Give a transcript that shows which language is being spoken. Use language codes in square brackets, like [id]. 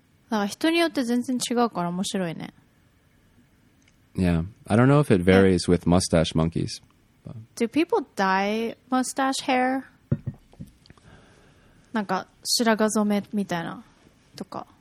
[ja] だから人によって全然違うから面白いね。 [en] Yeah. I don't know if it varies with mustache monkeys. But... Do people dye mustache hair? [ja] なんか白髪染めみたいなとか。